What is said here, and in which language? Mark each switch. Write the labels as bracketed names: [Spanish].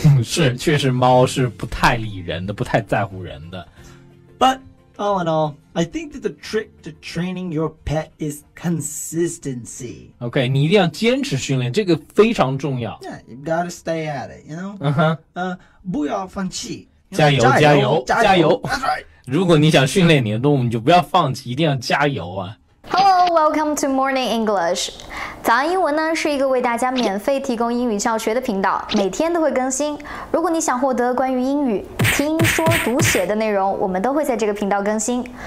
[Chinese] 是，确实猫是不太理人的，不太在乎人的。 [English] But all in all, I think that the trick to training your pet is consistency. [Chinese] Okay, 你一定要坚持训练，这个非常重要。 [English] Yeah, you've got to stay at it, you know? Uh-huh. [Chinese] 不要放弃。加油，加油，加油。加油 [English] That's right. [Chinese] 如果你想训练你的动物，你就不要放弃，一定要加油啊！ [English] Hello, welcome to Morning English. [Chinese] 早安英文呢是一个为大家免费提供英语教学的频道，每天都会更新。如果你想获得关于英语听说读写的内容，我们都会在这个频道更新。